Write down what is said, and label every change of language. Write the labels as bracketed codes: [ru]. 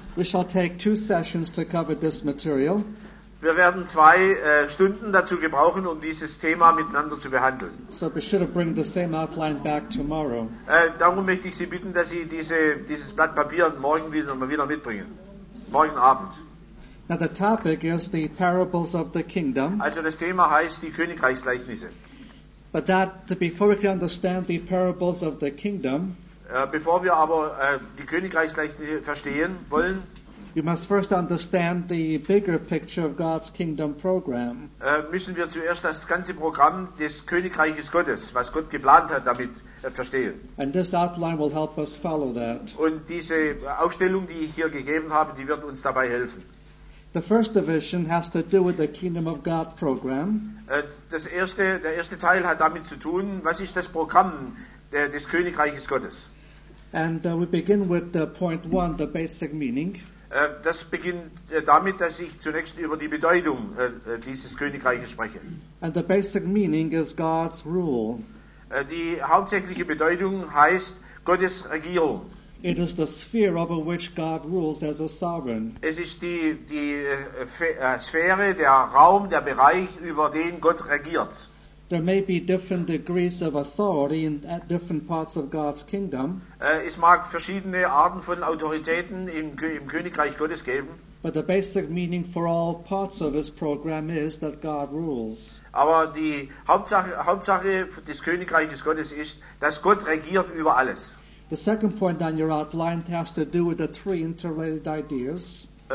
[en] We shall take two sessions to cover this material. [de] Wir werden zwei Stunden dazu gebrauchen, um dieses Thema miteinander zu behandeln. [en] So be sure to bring the same outline back tomorrow. [de] Darum möchte ich Sie bitten, dass Sie dieses Blatt Papier morgen wieder mitbringen. Morgen Abend. [en] Now the topic is the parables of the kingdom. [de] Also das Thema heißt die Königreichsgleichnisse. [en] But that before we can understand the parables of the kingdom. [de] Bevor wir aber die Königreichsgleichnisse verstehen wollen, [en] we must first understand the bigger picture of God's kingdom program. [de] Müssen wir zuerst das ganze Programm des Königreiches Gottes, was Gott geplant hat, damit verstehen. [en] And this outline will help us follow that. [de] Und diese Aufstellung, die ich hier gegeben habe, die wird uns dabei helfen. [en] The first division has to do with the Kingdom of God program. [de] Der erste Teil hat damit zu tun, was ist das Programm des Königreiches Gottes? [en] And we begin with point one, the basic meaning. [de] Das beginnt damit, dass ich zunächst über die Bedeutung dieses Königreiches spreche. [en] And the basic meaning is God's rule. [de] Die hauptsächliche Bedeutung heißt Gottes Regierung. [en] It is the sphere over which God rules as a sovereign. [de] Es ist die Sphäre, der Raum, der Bereich, über den Gott regiert. [en] There may be different degrees of authority in different parts of God's kingdom. [de] Es mag verschiedene Arten von Autoritäten im Königreich Gottes geben. [en] But the basic meaning for all parts of his program is that God rules. [de] Aber die Hauptsache des Königreiches Gottes ist, dass Gott regiert über alles. [en] The second point on your outline has to do with the three interrelated ideas.